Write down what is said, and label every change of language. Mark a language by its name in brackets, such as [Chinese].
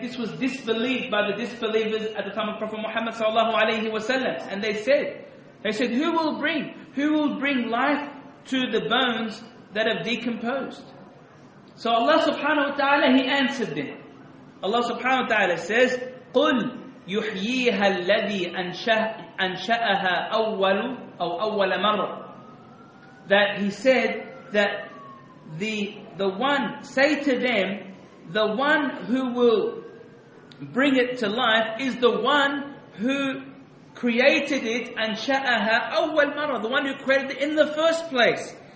[English] This was disbelieved by the disbelievers at the time of Prophet Muhammad sallallahu alaihi wasallam, and they said, who will bring life to the bones that have decomposed? So Allah subhanahu wa ta'ala, He answered them. Allah subhanahu wa ta'ala says, [Arabic] قُلْ يُحْيِيهَا الَّذِي أَنْشَأَهَا أَوَّلُ أَوْ أَوَّلَ مَرَّ. [English] That He said that the one, say to them, the one who will bring it to life is the one who created it, and [Arabic] sha'aha awwal marra, [English] the one who created it in the first place.